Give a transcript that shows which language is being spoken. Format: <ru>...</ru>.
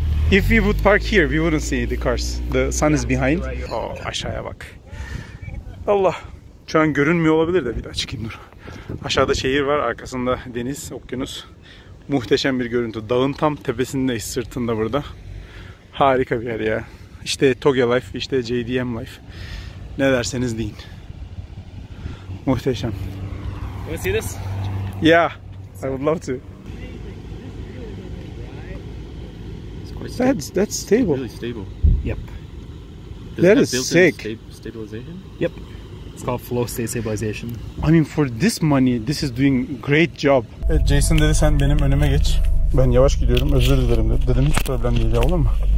<en>If we would park here, we wouldn't see the cars. The sun is behind. Oh,</en> <tr>aşağıya bak.</tr> <en>Allah.</en> <tr>Şu an görünmüyor olabilir de, bir daha çıkayım dur. Aşağıda şehir var, arkasında deniz, okyanus. Muhteşem bir görüntü. Dağın tam tepesinde, sırtında burada. Harika bir yer ya. İşte Togya Life, işte JDM Life. Ne derseniz deyin. Muhteşem.</tr> <en>You want to see this? Yeah, I would love to. That's stable. Really stable. Yep. That is sick. Stabilization? Yep. It's called flow state stabilization. I mean for this money, this is doing great job.</en> <tr>Jason dedi sen benim önüme geç. Ben yavaş gidiyorum, özür dilerim dedi. Dedim hiç problem değil ya, olur mu?</tr>